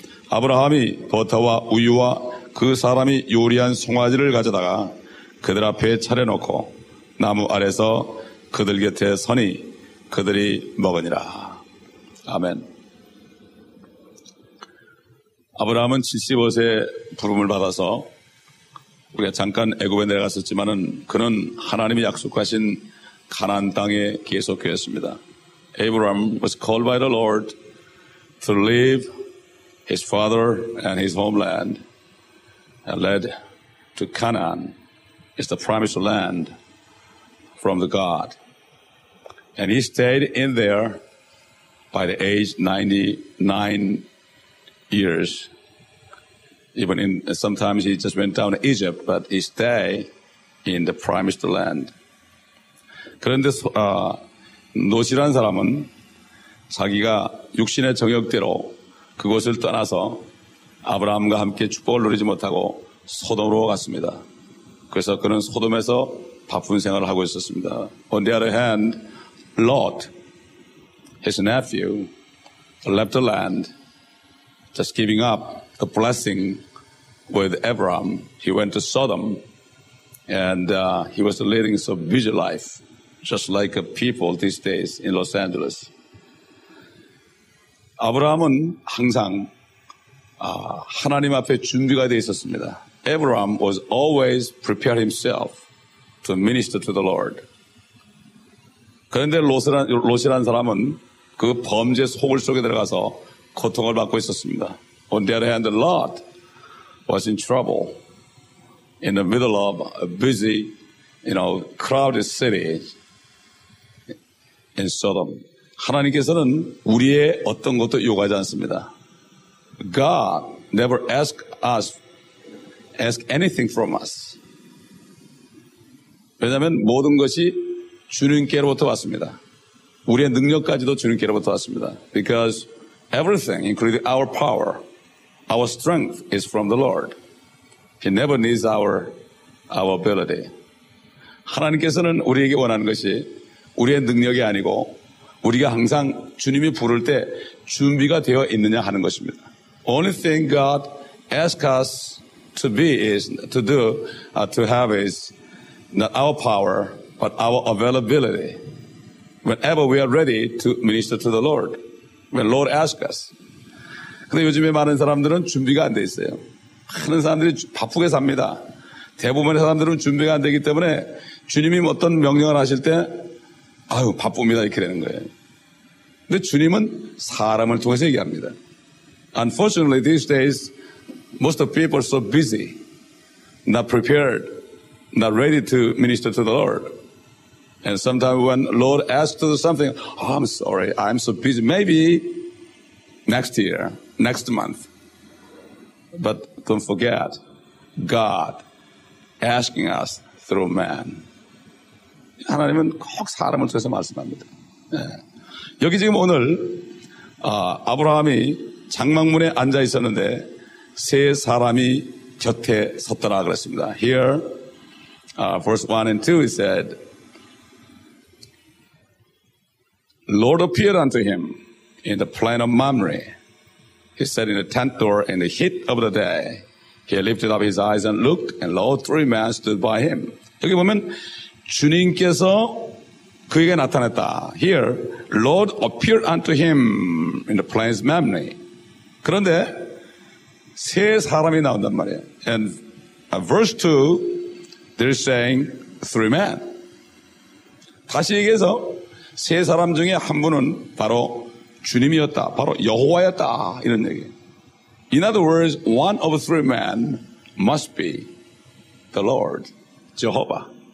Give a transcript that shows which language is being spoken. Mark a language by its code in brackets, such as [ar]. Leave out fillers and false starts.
[ko] 아브라함이 버터와 우유와 그 사람이 요리한 송아지를 가져다가 그들 앞에 차려놓고 나무 아래서 그들 곁에 서니 그들이 먹으니라. 아멘. 아브라함은 75세 부름을 받아서, 우리가 잠깐 애굽에 내려갔었지만은 그는 하나님이 약속하신 가나안 땅에 계속 계셨습니다. [en] Abraham was called by the Lord to leave his father and his homeland and led to Canaan, is the promised land from the God. And he stayed in there by the age 99 years. Even in, sometimes he just went down to Egypt, but he stayed in the promised land. [ko] 그런데 노시란 사람은 자기가 육신의 정욕대로 그곳을 떠나서 아브라함과 함께 축복을 누리지 못하고 소돔으로 갔습니다. 그래서 그는 소돔에서 바쁜 생활을 하고 있었습니다. [en] On the other hand, Lot, his nephew, left the land, just giving up the blessing with Abraham. He went to Sodom, and he was leading a busy life, just like people these days in Los Angeles. [ko] 아브라함은 항상 하나님 앞에 준비가 되어 있었습니다. [en] Abraham was always prepared himself to minister to the Lord. [ko] 그런데 롯이라는 사람은 그 범죄 속을 속에 들어가서 고통을 받고 있었습니다. [en] On the other hand, Lot was in trouble in the middle of a busy, you know, crowded city. In Sodom, [ko] 하나님께서는 우리의 어떤 것도 요구하지 않습니다. [en] God never ask anything from us. [ko] 왜냐하면 모든 것이 주님께로부터 왔습니다. 우리의 능력까지도 주님께로부터 왔습니다. [en] Because everything, including our power, our strength, is from the Lord. He never needs our ability. [ko] 하나님께서는 우리에게 원하는 것이 우리의 능력이 아니고 우리가 항상 주님이 부를 때 준비가 되어 있느냐 하는 것입니다. [en] Only thing God asks us to be is to do, to have is not our power, but our availability. Whenever we are ready to minister to the Lord, when Lord asks us. [ko] 근데 요즘에 많은 사람들은 준비가 안 돼 있어요. 많은 사람들이 바쁘게 삽니다. 대부분의 사람들은 준비가 안 되기 때문에 주님이 어떤 명령을 하실 때 아유, 바쁩니다, 이렇게 되는 거예요. 근데 주님은 사람을 통해서 얘기합니다. [en] Unfortunately, these days, most of people are so busy, not prepared, not ready to minister to the Lord. And sometimes when Lord asks to do something, oh, I'm sorry, I'm so busy. Maybe next year, next month. But don't forget, God asking us through man. [ko] 하나님은 꼭 사람을 통해서 말씀합니다. 네. 여기 지금 오늘 아브라함이 장막문에 앉아 있었는데 세 사람이 곁에 섰더라 그랬습니다. [en] Here, verse 1 and 2, he said, Lord appeared unto him in the plain of Mamre. He sat in the tent door in the heat of the day. He lifted up his eyes and looked, and lo, three men stood by him. [ko] 여기 보면 주님께서 그에게 나타났다. [en] Here, Lord appeared unto him in the plains of Mamre. [ko] 그런데 세 사람이 나온단 말이에요. [en] And verse 2, they're saying three men. [ko] 다시 얘기해서 세 사람 중에 한 분은 바로 주님이었다. 바로 여호와였다. 이런 얘기. [en] In other words, one of three men must be the Lord, Jehovah.